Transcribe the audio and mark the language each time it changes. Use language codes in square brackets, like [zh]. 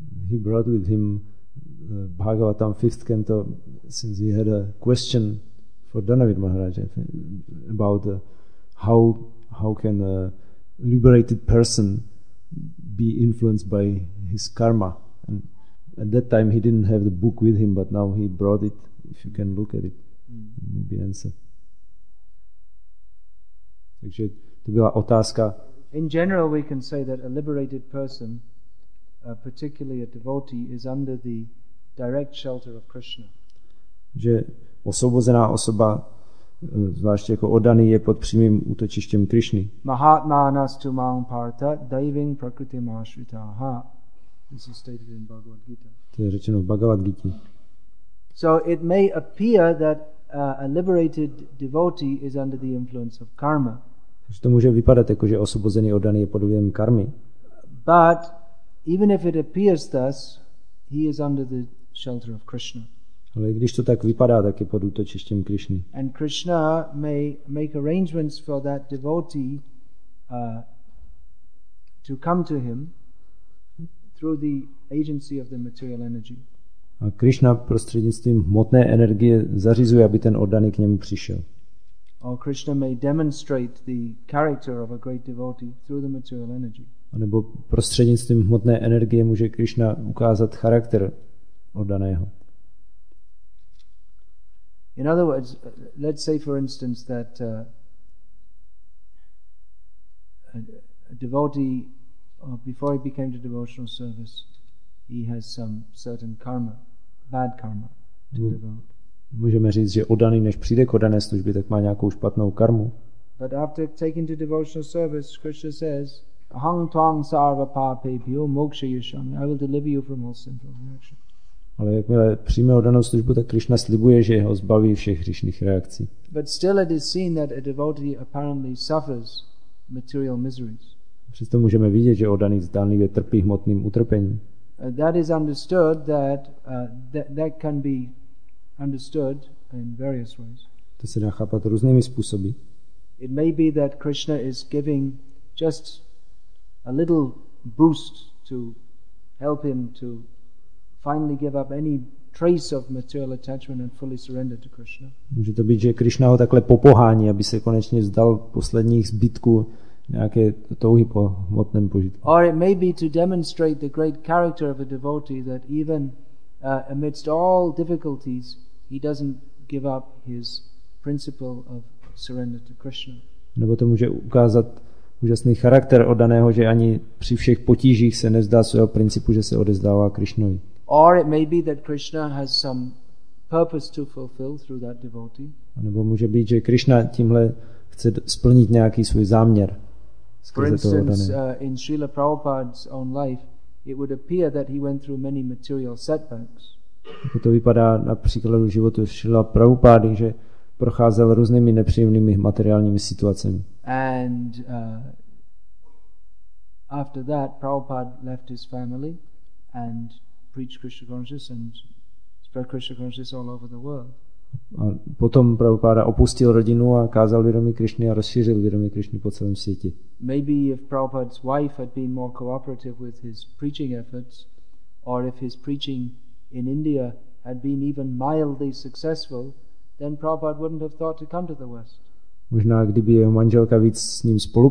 [en] He brought with him Bhagavatam 5th canto since he had a question for Dhanavid Maharaj about how can a liberated person be influenced by his karma, and at that time he didn't have the book with him, but now he brought it. If you can look at it, maybe answer. [cs] Takže to byla otázka. [en] In general we can say that a liberated person, particularly a devotee, is under the direct shelter of Krishna. [cs] Že osvobozená osoba, zvláště jako oddaný, je pod přímým útočištěm Krishny. [sa] Mahatmanastu mam partha daivim prakritim ashritaha. [en] This is stated in Bhagavad Gita. [cs] To je řečeno v Bhagavad Gita. [en] So it may appear that a liberated devotee is under the influence of karma. [cs] Takže to může vypadat jako, že osvobozený oddaný je pod vlivem karmy. [en] But even if it appears thus, he is under the shelter of Krishna. [cs] Ale když to tak vypadá, tak je pod útočištěm Krishny. [en] And Krishna may make arrangements for that devotee to come to him through the agency of the material energy. [cs] A Krishna prostřednictvím hmotné energie zařizuje, aby ten oddaný k němu přišel. [en] Or Krishna may demonstrate the character of a great devotee through the material energy. [cs] A nebo prostřednictvím hmotné energie může Krishna ukázat charakter oddaného. [en] In other words, let's say for instance that a devotee, before he became to devotional service, he has some certain karma, bad karma to develop. [cs] Můžeme říct, že oddaný, než přijde k oddané službě, tak má nějakou špatnou karmu. [en] But after taking to devotional service, Krishna says, [sa] "Hang tong sarva papebhyo moksha yashami. [en] I will deliver you from all sinful reactions." [cs] Ale jakmile přijme oddanou službu, tak Krishna slibuje, že ho zbaví všech hříšných reakcí. [en] But still it is seen that a devotee apparently suffers material miseries. [cs] Přesto můžeme vidět, že oddaný zdánlivě trpí hmotným utrpením. [en] That is understood that that can be understood in various ways. [cs] To se dá chápat různými způsoby. [en] It may be that Krishna is giving just a little boost to help him to finally give up any trace of material attachment and fully surrender to Krishna. [cs] Může to být, že Krishna ho takhle popohání, aby se konečně vzdal posledních zbytků nějaké touhy po hmotném požitku. [en] Or it may be to demonstrate the great character of a devotee that even amidst all difficulties he doesn't give up his principle of surrender to Krishna. [cs] Nebo to může ukázat úžasný charakter oddaného, že ani při všech potížích se nezdá svého principu, že se odezdává Krishnovi. [en] Or it may be that Krishna has some purpose to fulfill through that devotee. [cs] A nebo může být, že Krishna tímhle chce splnit nějaký svůj záměr. [en] For instance, in Srila Prabhupada's own life, it would appear that he went through many material setbacks. [cs] To vypadá na příkladu životu Srila Prabhupády, že procházel různými nepříjemnými materiálními situacemi. [en] And after that, Prabhupada left his family and preached Krishna consciousness and spread Krishna consciousness all over the world. [cs] A potom Prabhupada opustil rodinu a kázal vědomí Krišny a rozšířil vědomí Krišny po celém světě. [en] Maybe if Prabhupada's wife had been more cooperative with his preaching efforts, or if his preaching in India had been even mildly successful, then Prabhupada wouldn't have thought to come to the West. [cs] Možná kdyby jeho manželka víc s ním spolupracovala.